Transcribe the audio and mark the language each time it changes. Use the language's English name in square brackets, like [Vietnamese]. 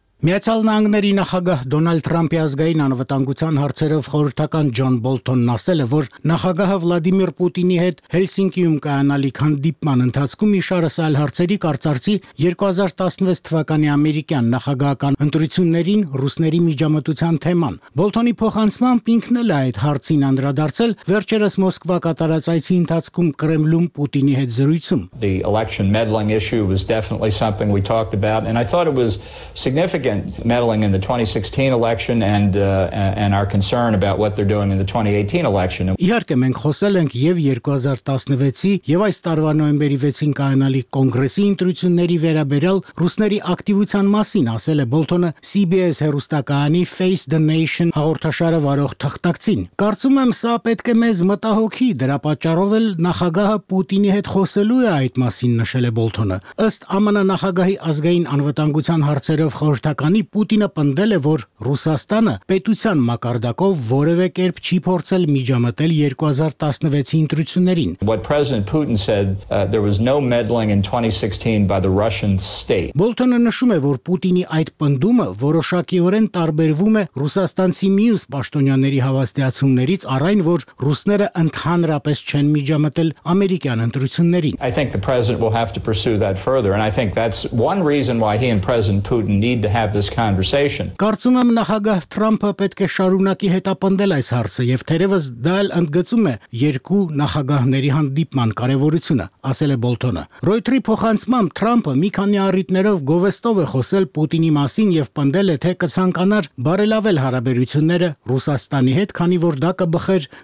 [Armenian] Միացյալ Նահանգների նախագահ Դոնալդ Թրամփի ազգային անվտանգության հարցերով խորհրդական Ջոն Բոլթոնն ասել է, որ նախագահը Վլադիմիր Պուտինի հետ Հելսինկիում կայանալիք հանդիպման ընթացքում իշարս այլ հարցերի կարծարծի 2016 թվականի ամերիկյան նախագահական ընտրություններին ռուսների միջամտության թեման։ Բոլթոնի փոխանցմամբ ինքն էլ այդ հարցին անդրադարձել վերջերս Մոսկվա կատարած այցի ընթացքում Կրեմլում Պուտինի հետ զրույցում։ [English] The election meddling issue was definitely something we talked about, and I thought it was significant. Significant meddling in the 2016 election and our concern about what they're doing in the 2018 election. [Armenian] Իհարկե մենք խոսել ենք եւ 2016-ի եւ այս տարվա նոյեմբերի 6-ին կայանալիք կոնգրեսի ընտրությունների վերաբերյալ ռուսների ակտիվության մասին, ասել է Բոլթոնը CBS հեռուստակայանի Face the Nation հաղորդաշարը վարող թղթակցին։ Կարծում եմ, սա պետք է մեզ մտահոգի, դրա պատճառով էլ նախագահը Պուտինի հետ խոսելու է այդ մասին, նշել է Բոլթոնը։ Ըստ ԱՄՆ նախագահի ազգային անվտանգության հարցերով խորհրդական թվականի Պուտինը պնդել է, որ Ռուսաստանը պետության մակարդակով որևէ կերպ չի փորձել միջամտել 2016-ի ընտրություններին. [English] What President Putin said there was no meddling in 2016 by the Russian state. [Armenian] Բոլտոնը նշում է, որ Պուտինի այդ պնդումը որոշակիորեն տարբերվում է Ռուսաստանցի մյուս պաշտոնյաների հավաստիացումներից, առ այն, որ ռուսները ընդհանրապես չեն միջամտել ամերիկյան ընտրություններին. [English] I think the president will have to pursue that further, and I think that's one reason why he and President Putin need to have this conversation. [Armenian] Կարծում եմ նախագահ Թրամփը պետք է շարունակի հետապնդել այս հարցը եւ թերևս դա էլ ընդգծում է երկու նախագահների հանդիպման կարեւորությունը, ասել է Բոլթոնը։ Ռոյթրի փոխանցումը Թրամփը մի քանի առիթներով գովեստով է խոսել Պուտինի մասին եւ պնդել է, թե կցանկանար բարելավել հարաբերությունները Ռուսաստանի հետ, քանի որ դա կբխեր